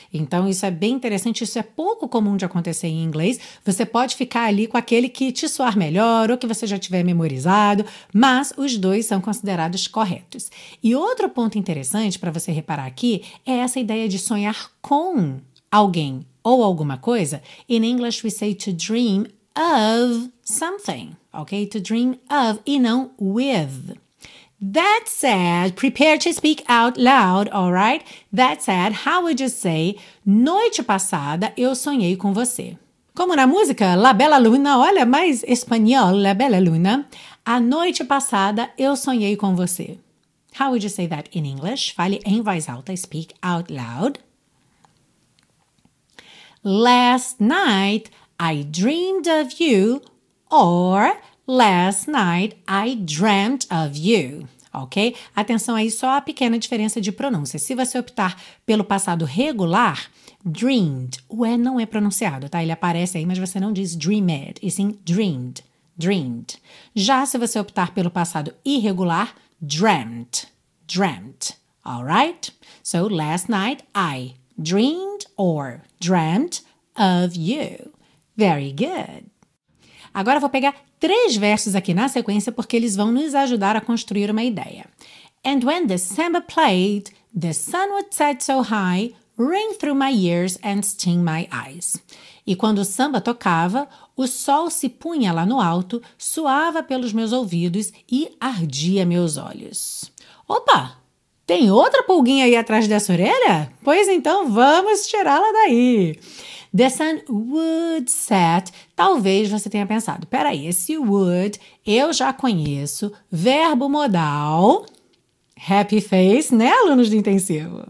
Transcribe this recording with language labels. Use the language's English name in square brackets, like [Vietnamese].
[Portuguese] Então isso é bem interessante, isso é pouco comum de acontecer em inglês. Você pode ficar ali com aquele que te soar melhor ou que você já tiver memorizado, mas os dois são considerados corretos. E outro ponto interessante para você reparar aqui é essa ideia de sonhar com alguém ou alguma coisa. [English] In English we say to dream of something, ok? To dream of [Portuguese] e não [English] with. That said, prepare to speak out loud, alright? That said, how would you say, [Portuguese] noite passada eu sonhei com você? Como na música La Bella Luna, olha mais espanhol, La Bella Luna. A noite passada eu sonhei com você. [English] How would you say that in English? [Portuguese] Fale em voz alta, [English] speak out loud. Last night I dreamed of you, or last night I dreamt of you, ok? [Portuguese] Atenção aí só a pequena diferença de pronúncia. Se você optar pelo passado regular, dreamed, o E não é pronunciado, tá? Ele aparece aí, mas você não diz dreamed, e sim dreamed, dreamed. Já se você optar pelo passado irregular, dreamt, dreamt, alright? [English] So, last night I dreamed or dreamt of you. Very good. [Portuguese] Agora vou pegar 3 versos aqui na sequência porque eles vão nos ajudar a construir uma ideia. [English] And when December played, the sun would set so high, ring through my ears and sting my eyes. [Portuguese] E quando o samba tocava, o sol se punha lá no alto, suava pelos meus ouvidos e ardia meus olhos. Opa! Tem outra pulguinha aí atrás dessa orelha? Pois então vamos tirá-la daí. [English] The sun would set, [Portuguese] talvez você tenha pensado, peraí, esse would, eu já conheço, verbo modal, [English] happy face, [Portuguese] né, alunos do intensivo?